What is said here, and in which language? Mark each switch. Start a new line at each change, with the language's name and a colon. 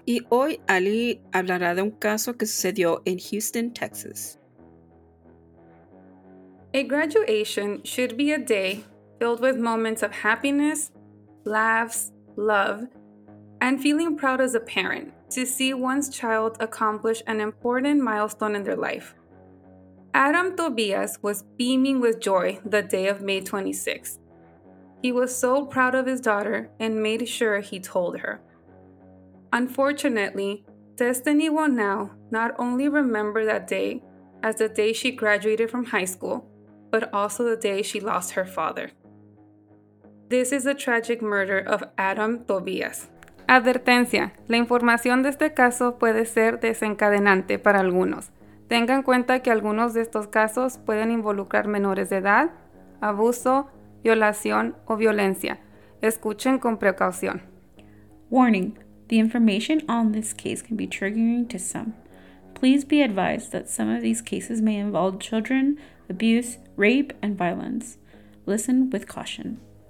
Spanish: Y hoy Ali hablará de un caso que sucedió en Houston, Texas.
English: A graduation should be a day filled with moments of happiness, laughs, love, and feeling proud as a parent to see one's child accomplish an important milestone in their life. Adam Tobias was beaming with joy the day of May 26th. He was so proud of his daughter and made sure he told her. Unfortunately, Destiny will now not only remember that day as the day she graduated from high school, but also the day she lost her father. This is the tragic murder of Adam Tobias.
Spanish: Advertencia, la información de este caso puede ser desencadenante para algunos. Tenga en cuenta que algunos de estos casos pueden involucrar menores de edad, abuso, violación o violencia. Escuchen con precaución.
English: Warning, the information on this case can be triggering to some. Please be advised that some of these cases may involve children, abuse, rape, and violence. Listen with caution.